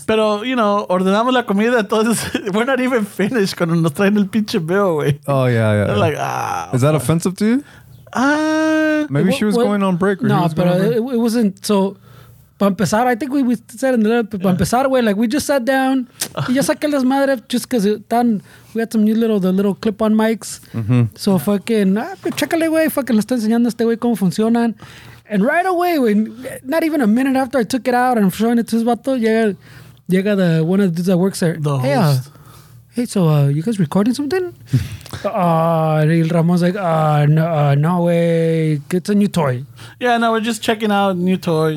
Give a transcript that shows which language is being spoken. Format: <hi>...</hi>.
<es>Pero,</es> <en>you know,</en> <es>ordenamos la comida, entonces</es> <en>we're not even finished</en> <es>cuando nos traen el pinche bill, güey.</es> <en>Oh, yeah, yeah. They're like, is that offensive to you? Maybe she was going on break. No, but it wasn't. So, para empezar, I think we said in the letter,</en> <es>para empezar, güey,</es> <en>like we just sat down.</en> <es>Yo saqué las madres</es> <en>just because we had some new little clip on mics. Mm-hmm.</en> <es>So, chécale, güey, fucking le estoy enseñando a este güey cómo funcionan.</es> <en>And right away, güey, not even a minute after I took it out and I'm showing it to his vato,</en> <es>llega</es> <en>the one of the dudes that works there. The host. Hey, so you guys recording something? Neil Ramos like, no way. It's a new toy. Yeah, no, we're just checking out new toy.</en>